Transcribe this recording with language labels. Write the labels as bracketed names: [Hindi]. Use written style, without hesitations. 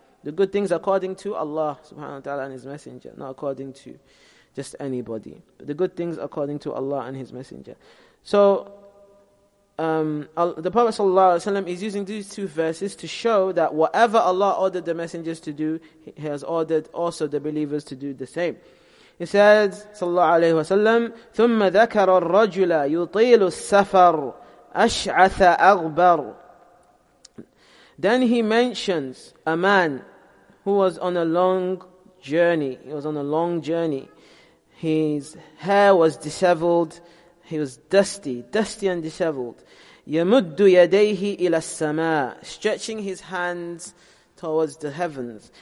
[English] The good things according to Allah subhanahu wa ta'ala and His Messenger, not according to just anybody. But the good things according to Allah and His Messenger. So, the Prophet sallallahu alayhi wa sallam is using these two verses to show that whatever Allah ordered the messengers to do, He has ordered also the believers to do the same. He says, [Arabic] sallallahu alayhi wa sallam, ثُمَّ ذَكَرَ الرَّجُلَ يُطِيلُ السَّفَرُ أَشْعَثَ أَغْبَرُ. [English] Then he mentions a man who was on a long journey. He was on a long journey. His hair was disheveled. He was dusty and disheveled. [Arabic] يَمُدُّ يَدَيْهِ إِلَى السَّمَاءِ, [English] stretching his hands towards the heavens.